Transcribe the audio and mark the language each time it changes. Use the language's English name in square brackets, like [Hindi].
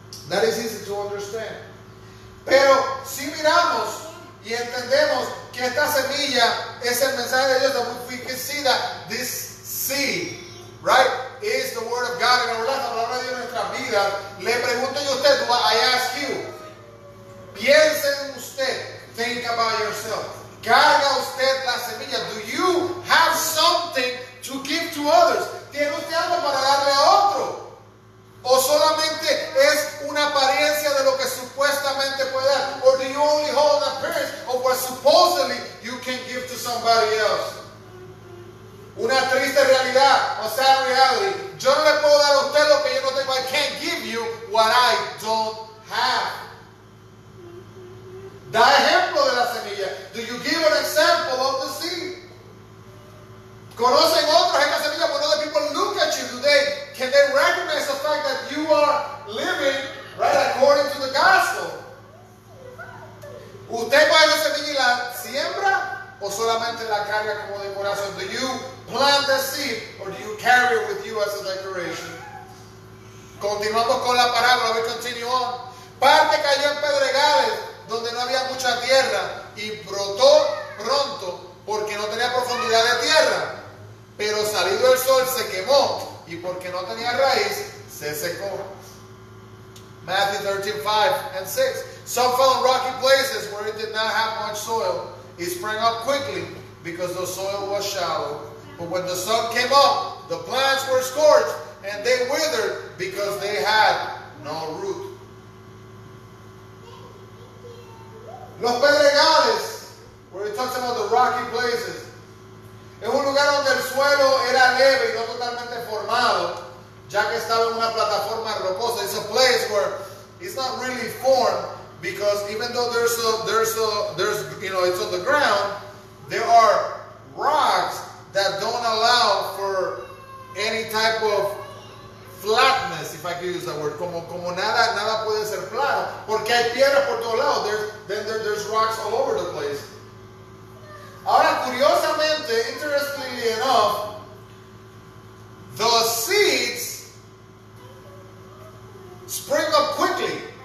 [Spanish] That is easy to understand. Pero si miramos y entendemos que esta semilla es el mensaje de Dios, [English] that we can see that this seed, right, is the word of God in our life, [Spanish] la palabra de Dios en nuestras vidas. Le pregunto yo a usted, [English] I ask you, [Spanish] piensen usted, [English] Think about yourself. [Spanish] Carga usted la semilla. [English] Do you have something to give to others? [Spanish] ¿Tiene usted algo para darle a otro? ¿O solamente es una apariencia de lo que supuestamente puede dar? [English] Or do you only hold an appearance of what supposedly you can give to somebody else? [Spanish] Una triste realidad, o sea, reality. Yo no le puedo dar a usted lo que yo no tengo. [English] I can't give you what I don't have. [Spanish] Da ejemplo de la semilla. [English] Do you give an example of the seed? [Spanish] ¿Conocen otros esta semilla? [English] But other people look at you today. Can they recognize the fact that you are living right according to the gospel? [Spanish] ¿Usted coge la semilla y la siembra? ¿O solamente la carga como decoración? [English] Do you plant the seed or do you carry it with you as a decoration? [Spanish] Continuamos con la parábola. [English] We continue on. [Spanish] Parte cayó en pedregales donde no había mucha tierra y brotó pronto porque no tenía profundidad de tierra. Pero salido el sol se quemó y porque no tenía raíz se secó. [English] Matthew 13:5-6. Some fell in rocky places where it did not have much soil. It sprang up quickly because the soil was shallow. But when the sun came up, the plants were scorched and they withered because they had no root. [Spanish] Los pedregales, [English] where it talks about the rocky places, [Spanish] es un lugar donde el suelo era leve y no totalmente formado, ya que estaba en una plataforma rocosa. [English] It's a place where it's not really formed, because even though there's you know, it's on the ground, there are rocks that don't allow for any type of flatness, if I could use that word. [Spanish] Como nada puede ser plano, porque hay piedra por todos lados. [English] There's rocks all over the place. [Spanish] Ahora, curiosamente, [English] interestingly enough, the seeds spring up quickly.